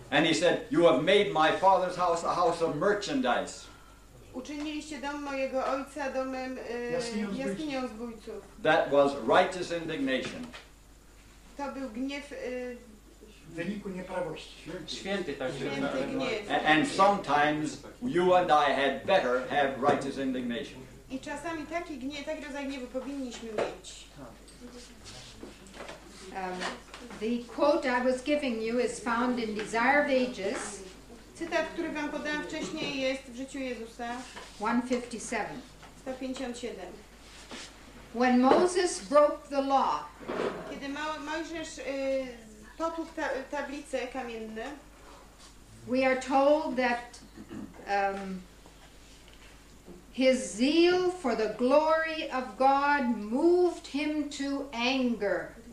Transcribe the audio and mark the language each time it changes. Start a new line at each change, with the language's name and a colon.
English: And he said, "You have made my father's house a house of merchandise."
Polish: Uczyniliście dom mojego ojca domem jaskinią zbójców.
English: That was righteous indignation.
Polish: To był gniew w wyniku nieprawości. Święty także. Święty gniew.
English: And sometimes you and I had better have righteous indignation.
Polish: I czasami taki gniew, taki rodzaj gniewu powinniśmy mieć.
English: The quote I was giving you is found in Desire of Ages.
Polish: Cytat, który wam podałam wcześniej, jest w życiu Jezusa.
English: 157.
Polish: 157.
English: When Moses broke the law.
Polish: Kiedy Mojżesz potłukł tablice kamienne.
English: We are told that his zeal for the glory of God moved him to anger.